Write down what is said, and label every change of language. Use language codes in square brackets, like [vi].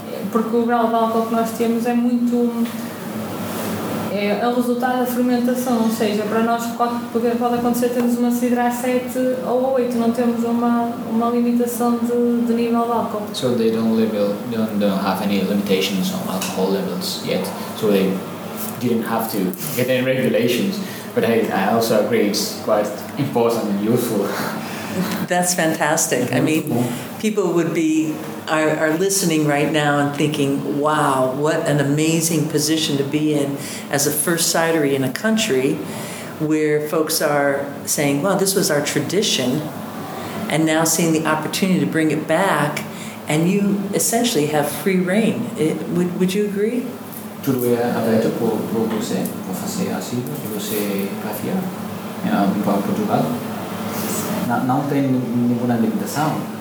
[pt] Porque o grau de álcool que nós temos é muito... É o resultado da fermentação, ou seja, para nós pode acontecer termos uma cidra 7 ou 8, não temos uma limitação de nível de álcool. [en] So they don't have any limitations on alcohol levels yet, so they didn't have to get any regulations. But I also agree it's quite important and useful. That's fantastic. I mean, people would be are listening right now and thinking, wow, what an amazing position to be in as a first cidery in a country where folks are saying, well, this was our tradition, and now seeing the opportunity to bring it back, and you essentially have free reign. Would you agree? [pt] Tudo é aberto para você. Vou fazer assim e você vai fiar para Portugal. Não tem nenhuma limitação?